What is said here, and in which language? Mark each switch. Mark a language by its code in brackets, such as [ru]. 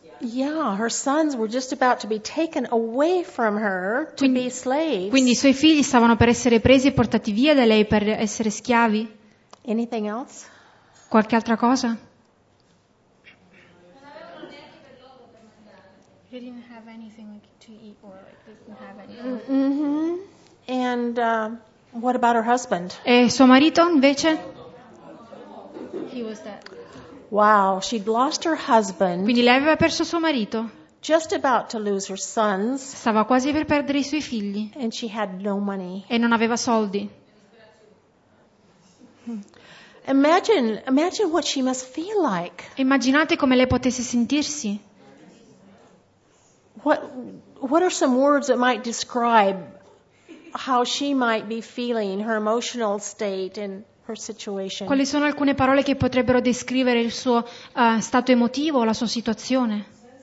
[en] Yeah, her sons were just about to be taken away from her to be slaves. [it] Quindi i suoi figli stavano per essere presi e portati via da lei per essere schiavi. [en] Anything else? [it] Qualche altra cosa? [en] They didn't have anything to eat or they didn't have anything. Mm-hmm. And what about her husband? [it] E suo marito invece? [en] Wow, she'd lost her husband. [it] Quindi lei aveva perso suo marito. [en] Just about to lose her sons. [it] Stava quasi per perdere i suoi figli. [en] And she had no money. [it] E non aveva soldi. [en] Imagine what she must feel like. [it] Immaginate come lei potesse sentirsi. [en] What are some words that might describe how she might be feeling, her emotional state and her situation. [it] Quali sono alcune parole che potrebbero descrivere il suo stato emotivo o la sua situazione?